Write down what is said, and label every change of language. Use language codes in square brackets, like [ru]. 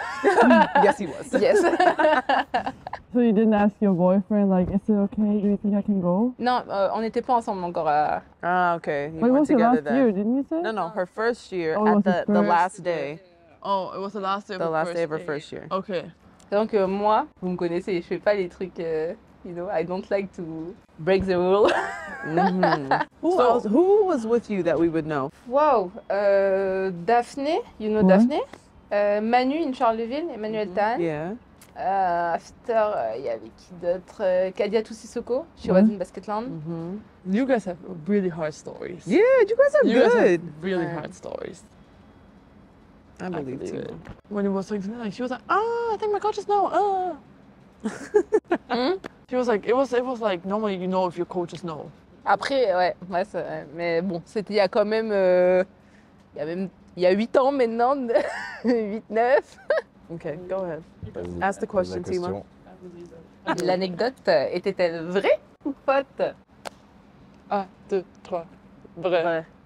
[en] Yes, he was. Yes. So you didn't ask your boyfriend, like, is it okay? Do you think I can go? [fr] No, on n'était pas ensemble encore. [en] Ah, okay. You went together then. Last year, didn't you say? No, her first year at the last day. Oh, it was the last day of her first year. The last day of her first year. Okay. [fr] Donc moi, vous me connaissez, je fais pas les trucs... [en] You know, I don't like to break the rule. Mm-hmm. Who was with you that we would know? Wow, Daphné, you know, what? Daphné? Manu in Charleville, Emmanuel mm-hmm. Tan. Yeah. [fr] After, y'avait qui d'autre? Kadia Toussisoko, [en] she was in Basketland. Mm-hmm. You guys have really hard stories. Yeah, you guys are you good. Guys have really hard stories. I believe too. It. When it was talking to me, like, she was like, I think my coaches know, She was like, it was like normally you know if your coaches know. [fr] Après, ouais c'est vrai. Mais bon, c'était il y a quand même, il y a 8 ans maintenant, 8-9. [en] Ok, go ahead. Ask the question, Tima. [fr] L'anecdote était-elle vraie ou faute? 1, 2, 3, vrai. Ouais.